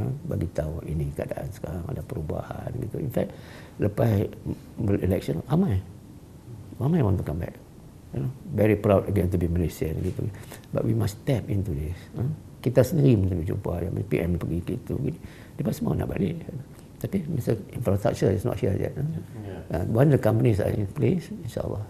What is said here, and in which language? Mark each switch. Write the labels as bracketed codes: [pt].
[ms] Bagi tahu ini keadaan sekarang, ada perubahan. Gitu. [en] In fact, [ms] lepas [en] election, [ms] ramai. Ramai [en] want to come back. You know, very proud again to be Malaysian. Gitu. But we must step into this. [ms] Kita sendiri mesti berjumpa, yang PM pergi gitu, dia pun semua nak balik. Tapi masa [en] infrastructure is not here yet. Yeah. When the companies are in place, insyaAllah.